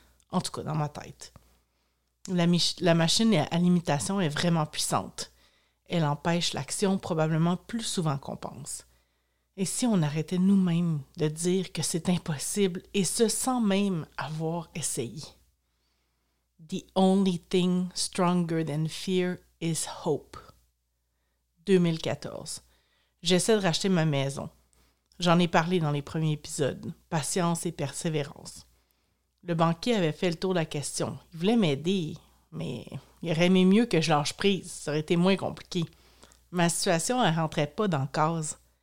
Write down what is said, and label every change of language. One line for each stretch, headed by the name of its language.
French: En tout cas, dans ma tête. La machine à limitation est vraiment puissante. Elle empêche l'action probablement plus souvent qu'on pense. Et si on arrêtait nous-mêmes de dire que c'est impossible et ce sans même avoir essayé?
English: The only thing stronger than fear is hope.
French: 2014. J'essaie de racheter ma maison. J'en ai parlé dans les premiers épisodes. Patience et persévérance. Le banquier avait fait le tour de la question. Il voulait m'aider, mais il aurait aimé mieux que je lâche prise. Ça aurait été moins compliqué. Ma situation ne rentrait pas dans la case.